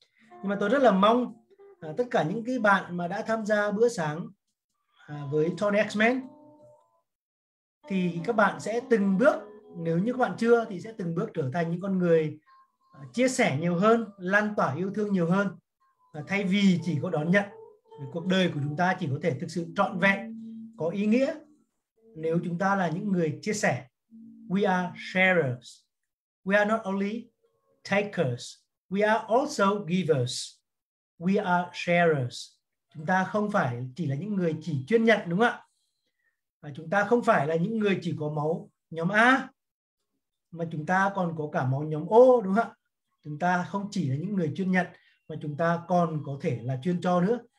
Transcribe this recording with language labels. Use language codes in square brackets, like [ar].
[vi] Nhưng mà tôi rất là mong tất cả những cái bạn mà đã tham gia bữa sáng với Tony X-Men thì các bạn sẽ từng bước, nếu như các bạn chưa thì sẽ từng bước trở thành những con người chia sẻ nhiều hơn, lan tỏa yêu thương nhiều hơn, thay vì chỉ có đón nhận. Cuộc đời của chúng ta chỉ có thể thực sự trọn vẹn, có ý nghĩa nếu chúng ta là những người chia sẻ. [en] We are sharers. We are not only takers, we are also givers. We are sharers. [vi] Chúng ta không phải chỉ là những người chỉ chuyên nhận, đúng không ạ? Và chúng ta không phải là những người chỉ có máu nhóm A, mà chúng ta còn có cả máu nhóm O, đúng không ạ? Chúng ta không chỉ là những người chuyên nhận, mà chúng ta còn có thể là chuyên cho nữa.